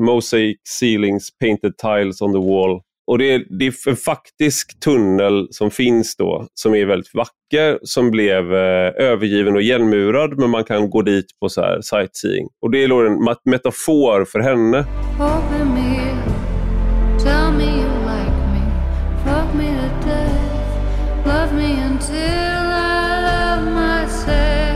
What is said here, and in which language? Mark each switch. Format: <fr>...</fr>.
<en>Mosaic ceilings, painted tiles on the wall.</en> <sv>Och det är en faktisk tunnel som finns då, som är väldigt vacker, som blev övergiven och igenmurad, men man kan gå dit på så här sightseeing. Och det är en metafor för henne.</sv> <en>Open me, tell me you like me, fuck me to death, love me until I love myself.</en>